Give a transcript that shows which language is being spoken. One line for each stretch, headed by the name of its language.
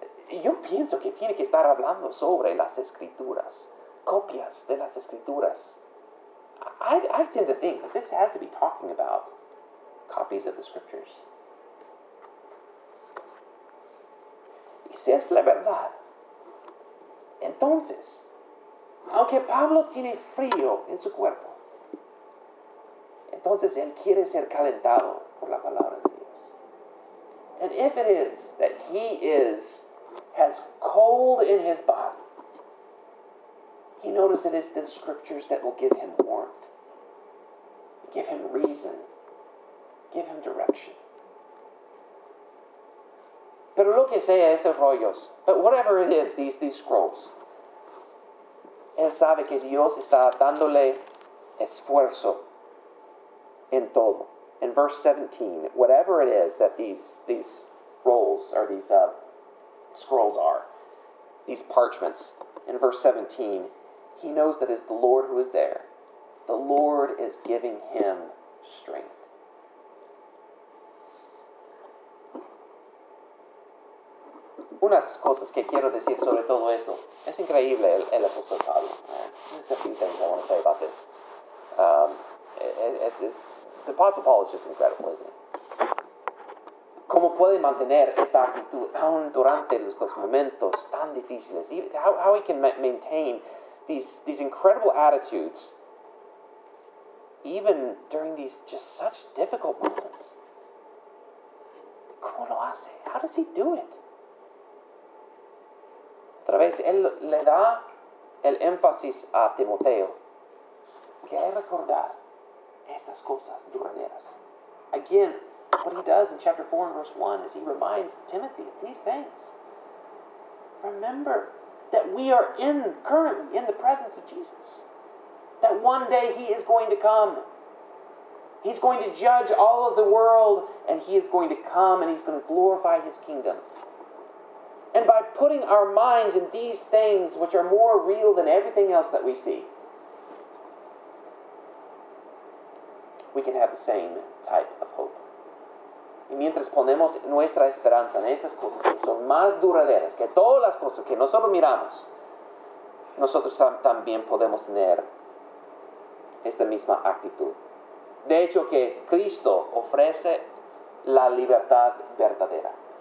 Spanish: Yo pienso que tiene que estar hablando sobre las escrituras, copias de las escrituras.
English: I tend to think that this has to be talking about copies of the scriptures.
Spanish: Y si es la verdad, entonces, aunque Pablo tiene frío en su cuerpo, entonces él quiere ser calentado por la palabra de Dios.
English: And if it is that he is has cold in his body, he notices it is the scriptures that will give him warmth. Give him reason. Give him direction.
Spanish: Pero lo que sea esos rollos,
English: but whatever it is, these scrolls,
Spanish: él sabe que Dios está dándole esfuerzo en todo.
English: In verse 17, whatever it is that these rolls or these scrolls are, these parchments, in verse 17, he knows that it's the Lord who is there. The Lord is giving him strength.
Spanish: Unas cosas que quiero decir sobre todo esto. Es increíble el apóstol Pablo.
English: There's a few things I want to say about this. The apostle Paul is just incredible, isn't it?
Spanish: ¿Cómo puede mantener esta actitud aún durante estos momentos tan difíciles?
English: How he can maintain these incredible attitudes even during these just such difficult moments.
Spanish: ¿Cómo lo hace?
English: How does he do it?
Spanish: Otra vez, él le da el énfasis a Timoteo que hay que recordar esas cosas duraderas.
English: Again, what he does in chapter 4 and verse 1 is he reminds Timothy of these things. Remember that we are currently in the presence of Jesus. That one day he is going to come. He's going to judge all of the world, and he is going to come and he's going to glorify his kingdom. And by putting our minds in these things, which are more real than everything else that we see, we can have the same type of hope.
Spanish: Y mientras ponemos nuestra esperanza en estas cosas que son más duraderas que todas las cosas que nosotros miramos, nosotros también podemos tener esta misma actitud. De hecho, que Cristo ofrece la libertad verdadera.